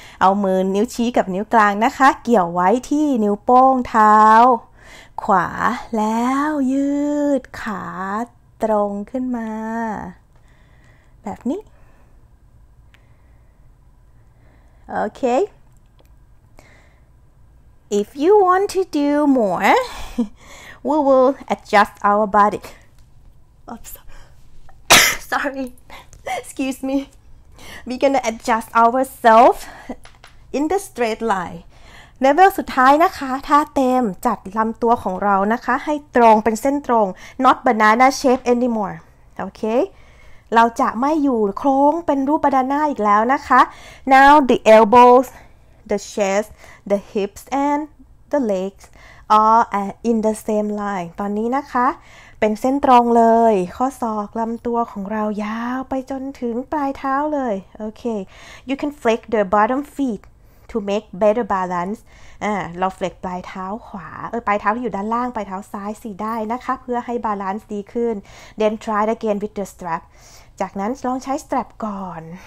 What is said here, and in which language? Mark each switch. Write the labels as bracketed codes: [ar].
[th] เอามือนิ้วชี้กับนิ้วกลางนะคะเกี่ยวไว้ที่นิ้วโป้งเท้าขวาแล้วยืดขาตรงขึ้นมาแบบนี้ Okay. [en] If you want to do more, we will adjust our body. Oops. Sorry. Excuse me. We're gonna adjust ourselves in the straight line. [th] Level สุดท้ายนะคะท่าเต็มจัดลำตัวของเรานะคะให้ตรงเป็นเส้นตรง [en] not banana shape anymore. Okay. [th] เราจะไม่อยู่โค้งเป็นรูปบานาน่าอีกแล้วนะคะ [en] Now the elbows. The chest, the hips, and the legs are in the same line. [th] ตอนนี้นะคะเป็นเส้นตรงเลยข้อศอกลำตัวของเรายาวไปจนถึงปลายเท้าเลย [en] Okay, you can flex the bottom feet to make better balance [th] เราเฟล็กปลายเท้าขวาปลายเท้าที่อยู่ด้านล่างปลายเท้าซ้ายสิได้นะคะเพื่อให้บาลานซ์ดีขึ้น [en] then try again with the strap [th] จากนั้นลองใช้สแตรปก่อน